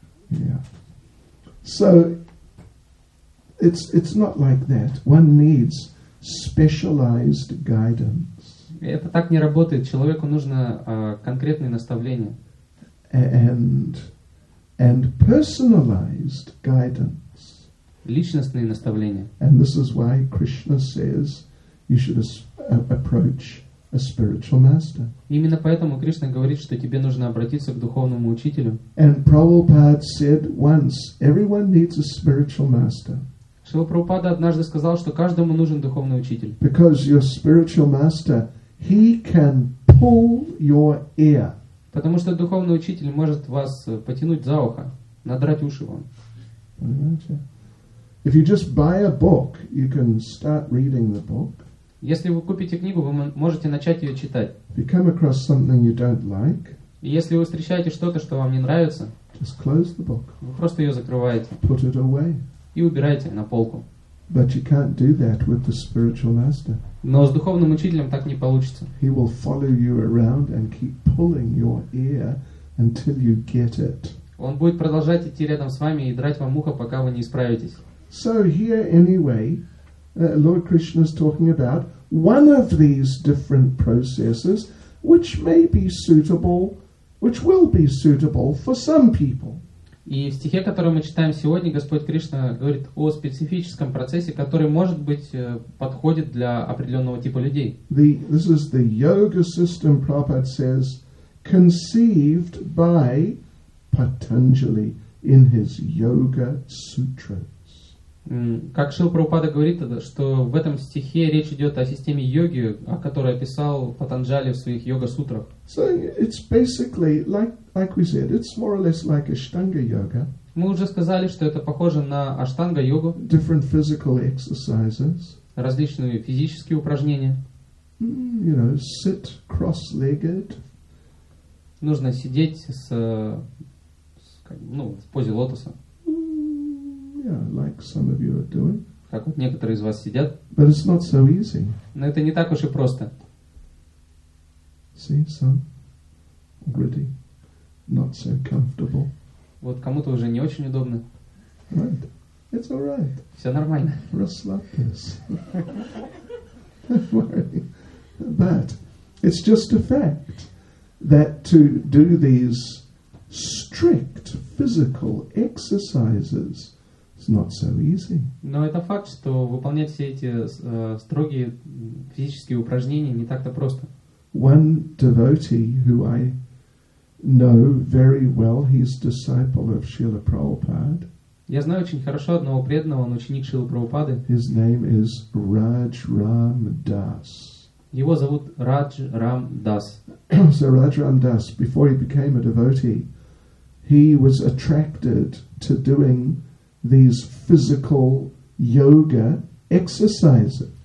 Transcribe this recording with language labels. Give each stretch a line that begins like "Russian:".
English: Yeah. So, It's not like that. One needs specialized guidance.
Russian: Это так не работает. Человеку нужно конкретное наставление.
English: And personalized guidance.
Russian: Личностные наставления.
English: And this is why Krishna says you should approach a spiritual master.
Russian: Именно поэтому Кришна говорит, что тебе нужно обратиться к духовному учителю.
English: And Prabhupada said once, everyone needs a spiritual master.
Russian: Шрила Прабхупада однажды сказал, что каждому нужен духовный учитель.
English: Because your spiritual master, he can pull your ear.
Russian: Потому что духовный учитель может вас потянуть за ухо, надрать уши вам. Понимаете?
English: If you just buy a book, you can start reading the book.
Russian: Если вы купите книгу, вы можете начать ее читать.
English: If you come across something you don't like,
Russian: и если вы встречаете что-то, что вам не нравится,
English: just close the book.
Russian: Вы просто ее закрываете.
English: Put it away.
Russian: И убирайте на полку.
English: But you can't do that with the spiritual master.
Russian: Но с духовным учителем так не получится.
English: He will follow you around and keep pulling your ear until you get it.
Russian: Он будет продолжать идти рядом с вами и драть вам ухо, пока вы не исправитесь.
English: So here anyway, Lord Krishna is talking about one of these different processes, which may be suitable, which will be suitable for some people.
Russian: И в стихе, который мы читаем сегодня, Господь Кришна говорит о специфическом процессе, который, может быть, подходит для определенного типа людей.
English: This is the yoga system, Prabhupada says, conceived by Patanjali in his yoga sutras.
Russian: Как Шрила Прабхупада говорит, что в этом стихе речь идет о системе йоги, о которой описал Патанджали в своих йога-сутрах.
English: So it's basically like we said, it's more or less like Ashtanga yoga.
Russian: Мы уже сказали, что это похоже на Ashtanga йогу.
English: Different physical exercises.
Russian: Различные физические упражнения.
English: you know, sit cross-legged.
Russian: Нужно сидеть в позе лотоса.
English: Yeah, like some of you are doing.
Russian: Как вот некоторые из вас сидят.
English: But it's not so easy.
Russian: Но это не так уж и просто.
English: See, some gritty, not so comfortable.
Russian: Вот кому-то уже не очень удобно.
English: Right. It's all right.
Russian: Все нормально. Расслабьтесь.
English: Don't worry. But it's just a fact that to do these strict physical exercises is not so easy.
Russian: Но это факт, что выполнять все эти строгие физические упражнения не так-то просто.
English: One devotee who I know very well, he's disciple of Srila Prabhupada.
Russian: Я знаю очень хорошо одного преданного, он ученик Шрилы Прабхупады.
English: His name is Raj Ram Das.
Russian: Его зовут Радж Рам Дас.
English: So Raj Ram Das, before he became a devotee, he was attracted to doing these physical yoga exercises.